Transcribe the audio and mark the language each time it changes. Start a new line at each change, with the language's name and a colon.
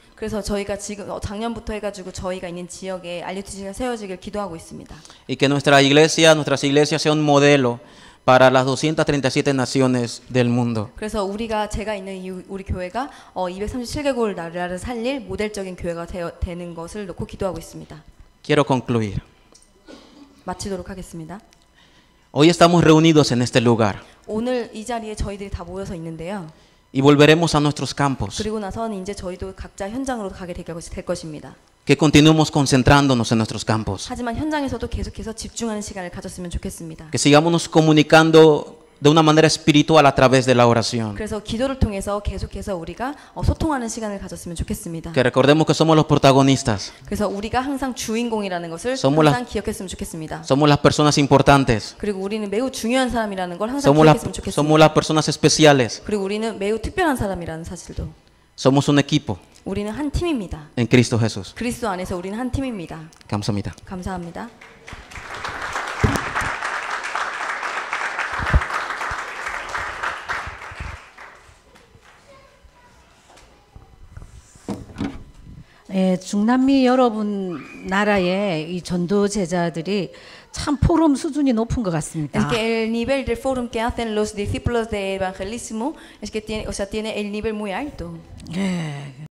Korean: 그래서 저희가 지금 작년부터 해가지고 저희가 있는 지역에 RUTC가 세워지길 기도하고 있습니다.
Spanish: Y que nuestras iglesias sean un modelo. Para las 237 naciones del mundo.
Korean: 그래서 우리가 제가 있는 우리 교회가 237개국 나라를 살릴 모델적인 교회가 되는 것을 놓고 기도하고 있습니다.
Spanish: Quiero concluir.
Korean: 마치도록 하겠습니다.
Spanish: Hoy estamos reunidos en este lugar.
Korean: 오늘 이 자리에 저희들이 다 모여서 있는데요.
Spanish: Y volveremos a nuestros campos.
Korean: 그리고 나서는 이제 저희도 각자 현장으로 가게 될 것입니다.
Spanish: Que continuemos concentrándonos en nuestros campos.
Korean: 하지만 현장에서도 계속해서 집중하는 시간을 가졌으면 좋겠습니다.
Spanish: Que sigamos comunicando de una manera espiritual a través de la oración.
Korean: 그래서 기도를 통해서 계속해서 우리가 소통하는 시간을 가졌으면 좋겠습니다.
Spanish: Que recordemos que somos los protagonistas.
Korean: 그래서 우리가 항상 주인공이라는 것을 항상 기억했으면 좋겠습니다.
Spanish: Somos las personas importantes.
Korean: 그리고 우리는 매우 중요한 사람이라는 걸 항상 기억했으면 좋겠습니다.
Spanish: Somos las personas especiales.
Korean: 그리고 우리는 매우 특별한 사람이라는 사실도.
Spanish: Somos un equipo.
Korean: 우리는 한 팀입니다.
Spanish: En Cristo Jesús.
Korean: 그리스도 안에서 우리는 한 팀입니다. 감사합니다. 감사합니다. Yeah, 중남미 여러분 나라의 이 전도 제자들이 참 포럼 수준이 높은 것 같습니다.
Spanish: Es que el nivel del forum que hacen los discípulos de evangelismo es que tiene, o sea, tiene el nivel muy alto. Yeah.